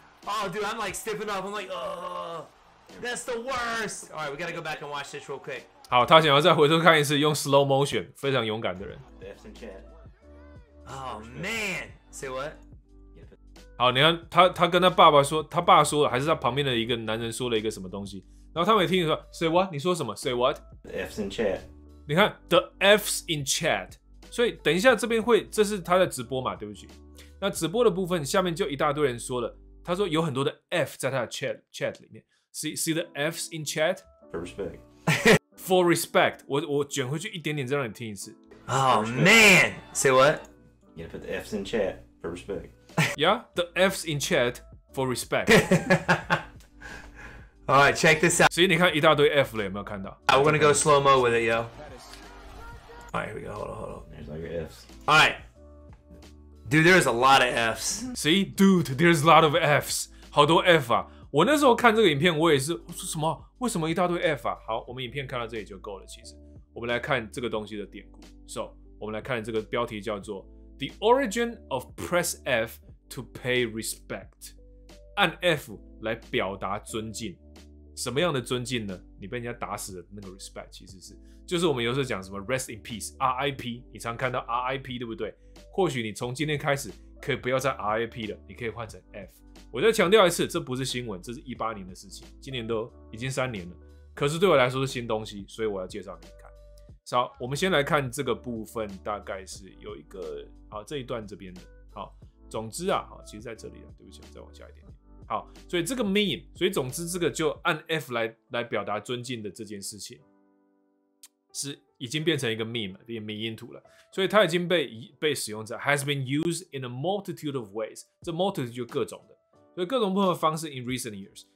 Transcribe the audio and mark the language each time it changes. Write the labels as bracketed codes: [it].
[en] Oh, dude, I'm like stiffing up. I'm like, oh, that's the worst. All right, we gotta go back and watch this real quick. [zh] 好，他想要再回头看一次，用 [en] slow motion， [zh] 非常勇敢的人。 [en] Oh man, say what? [zh] 好，你看他跟他爸爸说，他爸说了，还是他旁边的一个男人说了一个什么东西，然后他没听说 ， [en] say what？ [zh] 你说什么 ？ [en] Say what？ The F's in chat. [zh] 你看 [en] the F's in chat， [zh] 所以等一下这边会，这是他的直播嘛？对不起，那直播的部分下面就一大堆人说了。他说有很多的 F 在他的 chat 里面 ， [en] see the F's in chat for respect， for respect， [zh] 我卷回去一点点再让你听一次。 [en] Oh man， say what？ You gotta put the F's in chat for respect。 Yeah， the F's in chat for respect。 All right， check this out。 [zh] 所以你看一大堆 F 了，有没有看到 [en] ？I'm gonna go slow mo with it， yo。 All right， here we go， hold on， there's all your F's。 All right。 Dude, there's a lot of F's. See, dude, there's a lot of F's. [zh] 好多 F 啊！我那时候看这个影片，我也是我说什么？为什么一大堆 F 啊？好，我们影片看到这里就够了。其实，我们来看这个东西的典故。 So， 我们来看这个标题叫做 [en] "The Origin of Press F to Pay Respect"， [zh] 按 F 来表达尊敬。什么样的尊敬呢？你被人家打死的那个 respect， 其实是就是我们有时候讲什么 [en] rest in peace， [zh] RIP， 你常看到 RIP 对不对？或许你从今天开始可以不要再 RIP 了，你可以换成 F。我再强调一次，这不是新闻，这是18年的事情，今年都已经三年了，可是对我来说是新东西，所以我要介绍给你看。好，我们先来看这个部分，大概是有一个好这一段这边的。好，总之啊，好，其实在这里啊，对不起，我再往下一点点。好，所以这个 mean， 所以总之这个就按 F 来表达尊敬的这件事情，是已经变成一个 meme， 变迷因图了。所以它已经被使用在 [en] has been used in a multitude of ways， [zh] 这 multitude 就各种的，所以各种不同的方式 [en] in recent years。